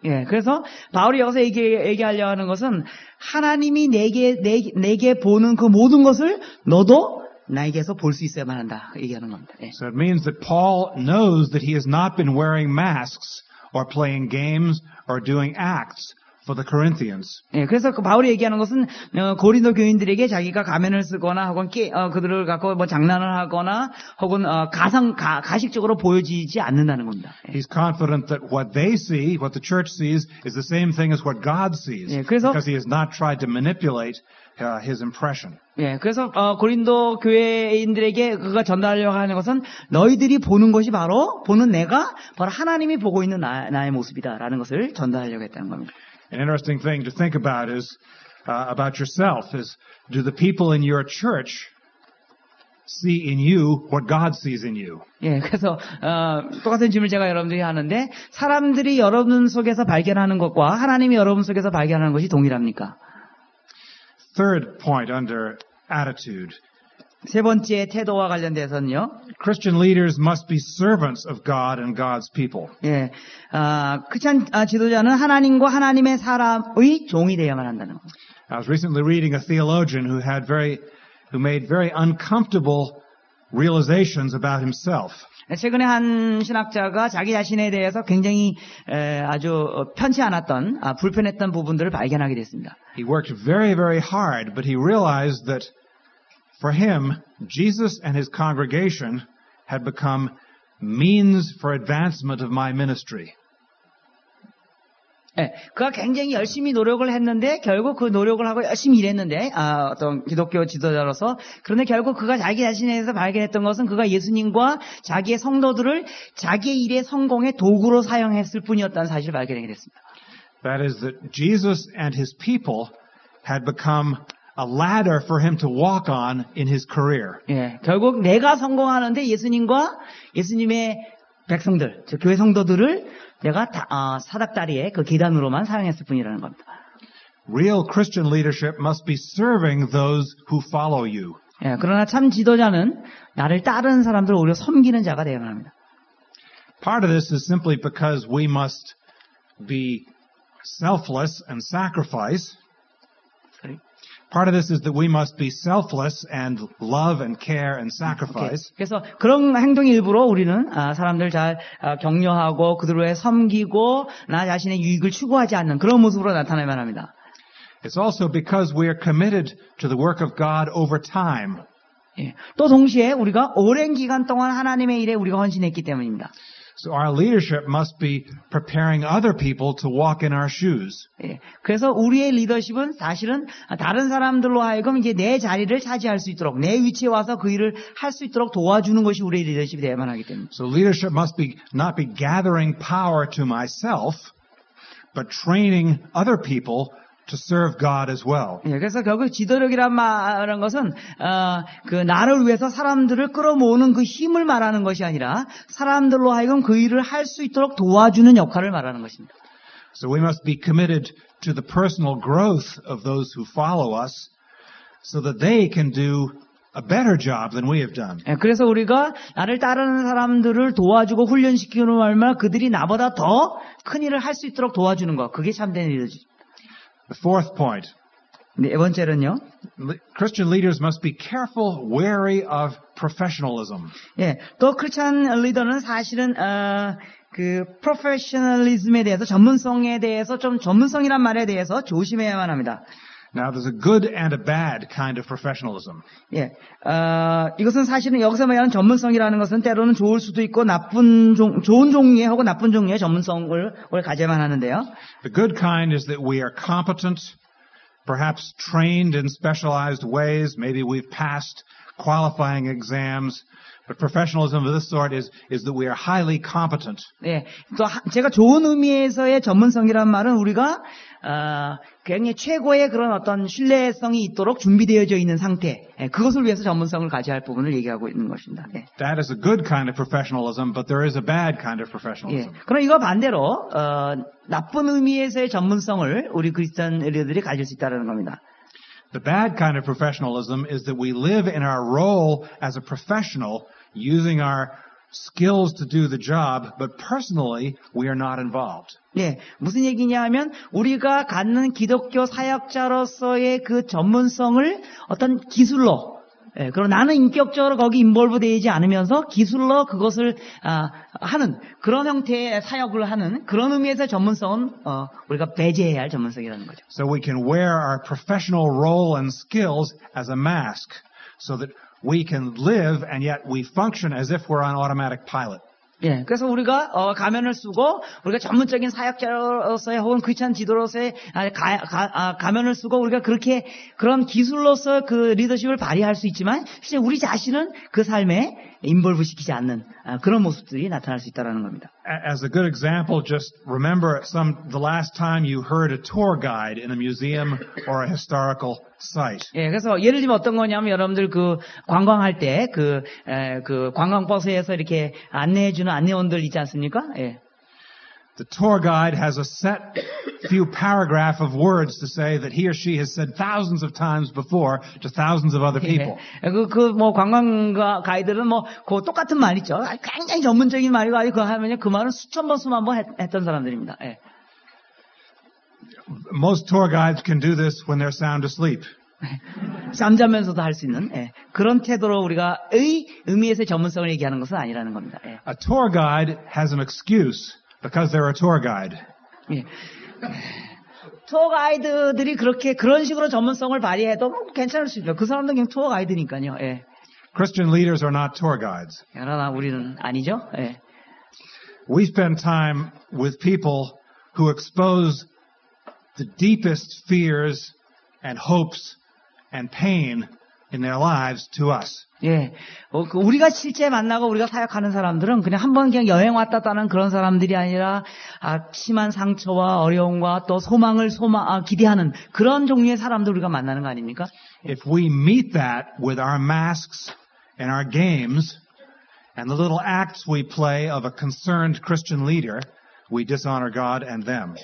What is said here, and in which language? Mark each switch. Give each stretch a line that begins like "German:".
Korean: 예, 그래서 바울이 여기서 얘기하려 하는 것은 하나님이 내게 보는 그 모든 것을 너도 나에게서 볼 수 있어야만 한다 얘기하는 겁니다. 예.
English: So it means that Paul knows that he has not been wearing masks or playing games or doing acts for the Corinthians.
Korean: 예, 그래서 바울이 얘기하는 것은 고린도 교인들에게 자기가 가면을 쓰거나 혹은 그들을 갖고 뭐 장난을 하거나 혹은 가식적으로 보여지지 않는다는 겁니다. 예.
English: He's confident that what they see, what the church sees is the same thing as what God sees.
Korean: 예, 그래서,
English: because he has not tried to manipulate his impression.
Korean: 예, 그래서 고린도 교회인들에게 그가 전달하려고 하는 것은 너희들이 보는 것이 바로 보는 내가 바로 하나님이 보고 있는 나의 모습이다라는 것을 전달하려고 했다는 겁니다.
English: An interesting thing to think about is about yourself is do the people in your church see in you what God sees in you?
Korean: 예, 그래서 똑같은 질문 제가 여러분들이 하는데 사람들이 여러분 속에서 발견하는 것과 하나님이 여러분 속에서 발견하는 것이 동일합니까?
English: Third point under attitude.
Korean: 세 번째 태도와 관련돼서는요.
English: Christian leaders must be servants of God and God's people.
Korean: 예, 크리스천 지도자는 하나님과 하나님의 사람의 종이 되어야만 한다는 것.
English: I was recently reading a theologian who had who made very uncomfortable realizations about himself.
Korean: 최근에 한 신학자가 자기 자신에 대해서 굉장히 아주 편치 않았던 불편했던 부분들을 발견하게 됐습니다.
English: He worked very, very hard, but he realized that for him, Jesus and his congregation had become means for advancement of my ministry.
Korean: 예, 그가 굉장히 열심히 노력을 했는데 결국 그 노력을 하고 열심히 일했는데 어떤 기독교 지도자로서 그런데 결국 그가 자기 자신에서 발견했던 것은 그가 예수님과 자기의 성도들을 자기의 일의 성공의 도구로 사용했을 뿐이었다는 사실을 발견하게 됐습니다.
English: That is that Jesus and his people had become a ladder for him to walk on in his career.
Korean: 예, 결국 내가 성공하는데 예수님과 예수님의 백성들, 즉 교회 성도들을 내가 사닥다리의 그 계단으로만 사용했을 뿐이라는 겁니다.
English: Real Christian leadership must be serving those who follow you.
Korean: 예, 그러나 참 지도자는 나를 따르는 사람들을 오히려 섬기는 자가 되어야 합니다.
English: Part of this is simply because we must be selfless and sacrifice. Part of this is that we must be selfless and love and care and sacrifice. Okay.
Korean: 그래서 그런 행동 일부로 우리는 사람들 잘 격려하고 그들을 위해 섬기고 나 자신의 유익을 추구하지 않는 그런 모습으로 나타나야만 합니다.
English: It's also because we are committed to the work of God over time.
Korean: 예. 또 동시에 우리가 오랜 기간 동안 하나님의 일에 우리가 헌신했기 때문입니다.
English: So our leadership must be preparing other people to walk in our shoes.
Korean: 예, 그래서 우리의 리더십은 사실은 다른 사람들로 하여금 이제 내 자리를 차지할 수 있도록 내 위치에 와서 그 일을 할 수 있도록 도와주는 것이 우리의 리더십이 되어야만 하기 때문에.
English: So leadership must be not be gathering power to myself, but training other people to serve God as well.
Korean: 예, 그래서 결국 지도력이란 말하는 것은 그 나를 위해서 사람들을 끌어모으는 그 힘을 말하는 것이 아니라 사람들로 하여금 그 일을 할 수 있도록 도와주는 역할을 말하는 것입니다.
English: So we must be committed to the personal growth of those who follow us so that they can do a better job than we have done.
Korean: 예, 그래서 우리가 나를 따르는 사람들을 도와주고 훈련시키는 말만 그들이 나보다 더 큰 일을 할 수 있도록 도와주는 것. 그게 참된 일이지.
English: The fourth point.
Korean: 네 번째는요.
English: Christian leaders must be careful, wary of professionalism.
Korean: 예, 또 크리스천 리더는 사실은 그 프로페셔널리즘에 대해서 전문성에 대해서 좀 전문성이란 말에 대해서 조심해야만 합니다.
English: Now there's a good and a bad kind of professionalism.
Korean: 예, 이것은 사실은 여기서 말하는 전문성이라는 것은 때로는 좋을 수도 있고 나쁜 좋은 종류의 혹은 나쁜 종류의 전문성을 가져야만 하는데요.
English: The good kind is that we are competent, perhaps trained in specialized ways. Maybe we've passed qualifying exams. But professionalism of this sort is that we are highly competent.
Korean: 예, 또 제가 좋은 의미에서의 전문성이란 말은 우리가 굉장히 최고의 그런 어떤 신뢰성이 있도록 준비되어져 있는 상태. 예, 그것을 위해서 전문성을 가져야 할 부분을 얘기하고 있는 것입니다. 예.
English: That is a good kind of professionalism, but there is a bad kind of professionalism.
Korean: 예, 그럼 이거 반대로 나쁜 의미에서의 전문성을 우리 그리스도인 리더들이 가질 수 있다는 겁니다.
English: The bad kind of professionalism is that we live in our role as a professional using our skills to do the job, but personally we are not involved.
Korean: 네, 무슨 얘기냐 하면 우리가 갖는 기독교 사역자로서의 그 전문성을 어떤 기술로 예, 그럼 나는 인격적으로 거기 인볼브 되지 않으면서 기술로 그것을 하는 그런 형태의 사역을 하는 그런 의미에서 전문성은 우리가 배제해야 할 전문성이라는 거죠.
English: So we can wear our professional role and skills as a mask so that we can live and yet we function as if we're on automatic pilot.
Korean: 예, 그래서 우리가 가면을 쓰고 우리가 전문적인 사역자로서의 혹은 귀찬 지도로서의 가면을 쓰고 우리가 그렇게 그런 기술로서 그 리더십을 발휘할 수 있지만 실제 우리 자신은 그 삶에 인볼브 시키지 않는 그런 모습들이 나타날 수 있다라는 겁니다.
English: As a good example, just remember the last time you heard a tour guide in a museum or a historical site.
Korean: 예, 그래서 예를 들면 어떤 거냐면 여러분들 그 관광할 때 그 관광버스에서 이렇게 안내해 주는 안내원들 있지 않습니까? 예.
English: The tour guide has a set few paragraph of words to say that he or she has said thousands of times before to thousands of other people.
Korean: 예, 그 관광 가이드는 뭐 그 똑같은 말 있죠. 굉장히 전문적인 말이고 아니 그 하면 그 말은 수천 번 했던 사람들입니다. 예.
English: Most tour guides can do this when they're sound asleep.
Korean: 잠자면서도 할 수 있는 예, 그런 태도로 우리가 의미에서 전문성을 얘기하는 것은 아니라는 겁니다. 예.
English: A tour guide has an excuse. Because they're a tour guide.
Korean: 예. 투어 가이드들이 그렇게 그런 식으로 전문성을 발휘해도 괜찮을 수 있죠. 그 사람들은 그냥 투어 가이드니까요. 예.
English: Christian leaders are not tour guides.
Korean: 그러나 우리는 아니죠. 예.
English: We spend time with people who expose the deepest fears and hopes and pain in their lives to us.
Korean: 예, 우리가 실제 만나고 우리가 사역하는 사람들은 그냥 한번 그냥 여행 왔다 갔다는 그런 사람들이 아니라 심한 상처와 어려움과 또 소망을 기대하는 그런 종류의 사람들 우리가 만나는 거 아닙니까?
English: If we meet that with our masks and our games and the little acts we play of a concerned Christian leader, we dishonor God and them.